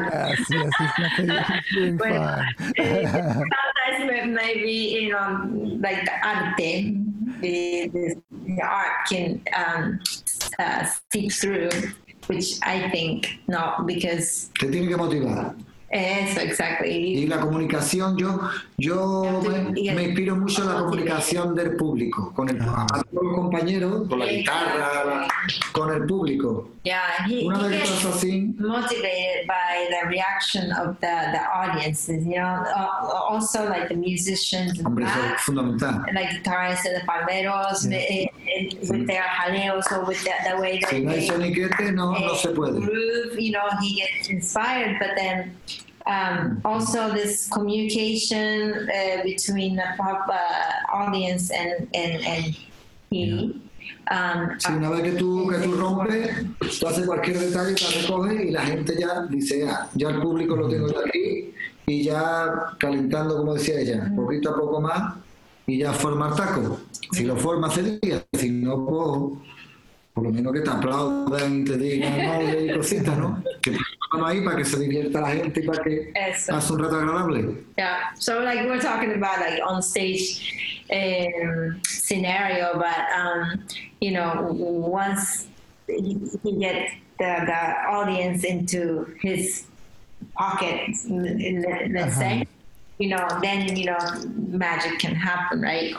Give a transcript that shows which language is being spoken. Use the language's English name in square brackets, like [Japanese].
[English] Yes, yes, he's not doing fine. Sometimes maybe, you know, like the arte, the art can seep through, which I think not, because... [Spanish] Te tiene que motivar. [English] Eso, exactly. [Spanish] Y la comunicación, yo me inspiro mucho en la comunicación del público, con el compañero, con la guitarra, con el público. [English] Yeah, he gets motivated by the reaction of the audiences, you know, also like the musicians. [Spanish] Hombre, eso es fundamental. [English] Like guitarists and the palmeros, with their jaleos or with the way that [Spanish] si no hay soniquete, no se puede. [English] Groove, you know, he gets inspired, but then... also, this communication between the pop audience and he. Yeah. [Spanish] Sí, una vez que tú rompes, tú haces cualquier detalle, te recoges y la gente ya dice, ya el público lo tengo aquí y ya calentando, como decía ella, poquito a poco más y ya forma el taco. Si lo forma hace días, si no, pues, por lo menos que te aplaudan y te digan madre y cositas, ¿no? Que, ahí para que se divierta la gente y para que pase un rato agradable. [English] Yeah, so like we're talking about like on stage scenario, but you know, once he gets the audience into his pocket, let's say, you know, then you know magic can happen, right?